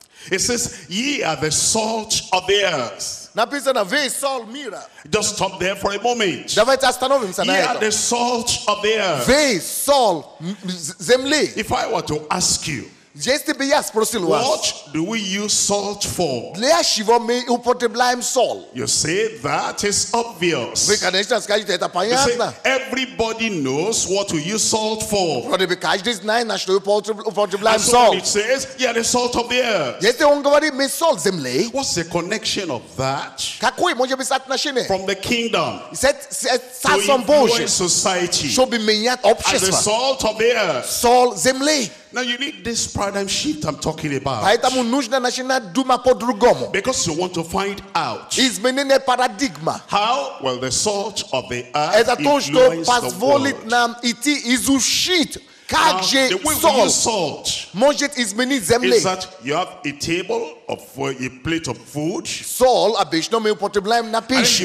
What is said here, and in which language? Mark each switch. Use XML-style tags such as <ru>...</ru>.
<en>It says, ye are the salt of the earth.</en> <ru>Написано, вы соль мира.</ru> <en>Just stop there for a moment.</en> <ru>Давайте остановимся на этом.</ru> <en>Ye are the salt of the earth.</en> <ru>Вы соль земли.</ru> <en>If I were to ask you,</en> <ru>если бы я спросил вас,</ru> <en>what do we use salt for?</en> <ru>Для чего мы употребляем соль?</ru> <en>You say that is obvious.</en> <ru>Вы, конечно, скажете, это понятно.</ru> <en>You say, everybody knows what we use salt for.</en> <ru>Вроде бы каждый знает, на что употребляем соль.</ru> <en>It says, yeah, the salt of the earth.</en> <ru>Если он говорит, мы соль земли.</ru> <en>What's the connection of that?</en> <ru>Какое может быть соотношение?</ru> <en>From the kingdom. To influence society.</en> <ru>Чтобы менять общество.</ru> <en>As the salt of the earth.</en> <ru>Соль земли.</ru> <en>Now you need this paradigm shift I'm talking about.</en> <ru>Поэтому нужно начинать думать по-другому.</ru> <en>Because you want to find out.</en> <ru>Изменение парадигма.</ru> <en>How will the salt of the earth influence the world?</en> <ru>Это то, что позволит нам идти изучить, как же</ru> <en>salt</en> <ru>может изменить земли.</ru> <en>Is that you have a table of a plate of food?</en> <ru>Salt обычно мы употребляем на пищу.</ru>